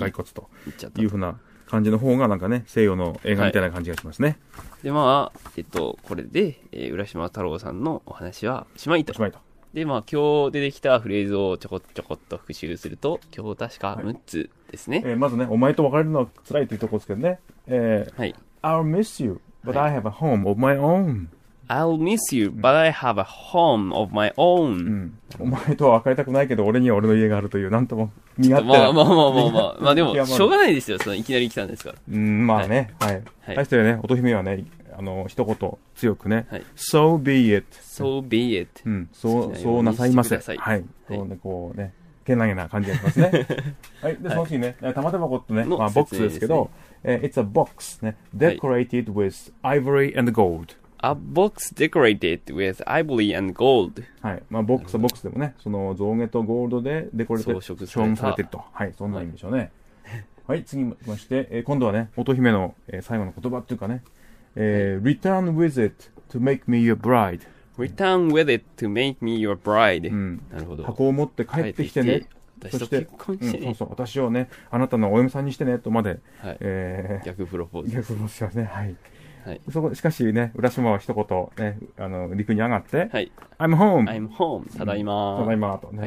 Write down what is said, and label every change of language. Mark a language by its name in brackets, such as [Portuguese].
[Japanese] 骸骨というふうな感じの方がなんかね、西洋の映画みたいな感じがしますね。はい、でまあこれで、浦島太郎さんのお話はしまいと。しまいと。でまあ今日出てきたフレーズをちょこちょこっと復習すると、今日確か6つですね。はい、まずね、お前と別れるのは辛いというところですけどね。はい。 [English] I'll miss you, but I have a home of my own. I'll miss you, but I have a home of my own.、 [Japanese] うん、お前とは別れたくないけど、俺には俺の家があるという、なんとも苦手な。まあ、まあでも、しょうがないですよ、そのいきなり来たんですから。まあね、はい。大してね、乙姫はね、あの、一言強くね、はい、 [English] So be it. So be it.、 [Japanese] うん、そうなさいませ。はい、はい。そうね、こうね、けなげな感じがしますね。はい。で、その次ね、玉手箱ってね、まあ、ボックスですけど、 [English] It's a box, [Japanese] ね、 [English] decorated with ivory and gold. A box decorated with ivory and gold. [Japanese] はい。まあ、ボックスはボックスでもね、その象牙とゴールドでデコレーション装飾されてると。はい。そんな意味でしょうね。はい。次にまして、今度はね、乙姫の、最後の言葉っていうかね、 [English] Return with it to make me your bride. Return with it to make me your bride.、 [Japanese] うん、なるほど。箱を持って帰ってきてね。私と結婚してね、うん。そうそう。私をね、あなたのお嫁さんにしてね、とまで。はい。逆プロポーズ。逆プロポーズしますね。はい。はい、そこしかしね、浦島は一言、ね、あの陸に上がって、はい、 [English] I'm home! I'm home! [Japanese] ただいま、うん、ただいまと、ね、